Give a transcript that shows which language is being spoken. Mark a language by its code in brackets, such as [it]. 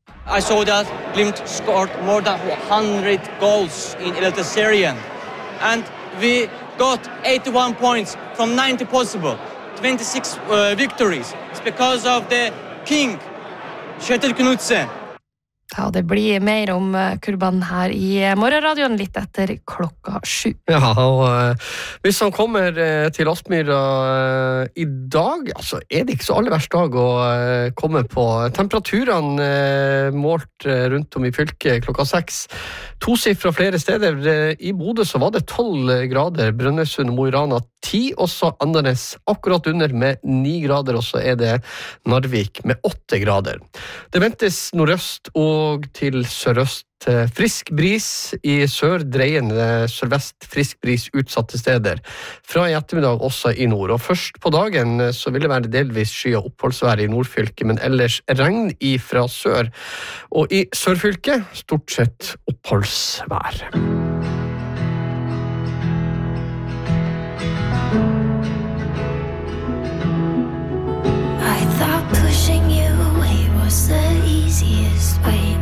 [en] I saw that Glimt scored more than 100 goals in Eliteserien. And we got 81 points from 90 possible, 26 victories. It's because of the king, Kjetil Knutsen. [no] Ja, det blir mer om Kurban her I morgenradioen litt etter klokka 7. Ja, og hvis han kommer til Aspmyra I dag, altså det ikke så aller verst dag å komme på. Temperaturen målt rundt om I fylket klokka 6. To siffra flere steder. I Bodø så var det 12 grader, Brønnøysund og Moirana 10, og så Andernes akkurat under med 9 grader, og så det Narvik med 8 grader. Det ventes nordøst og og til sørøst frisk bris I sør, dreiende sørvest frisk bris utsatte steder. Fra I ettermiddag også I nord. Og først på dagen så vil det være delvis sky og oppholdsvær I nordfylket, men ellers regn ifra sør. Og I sørfylket stort sett oppholdsvær. [en] I thought pushing you away was the easiest way.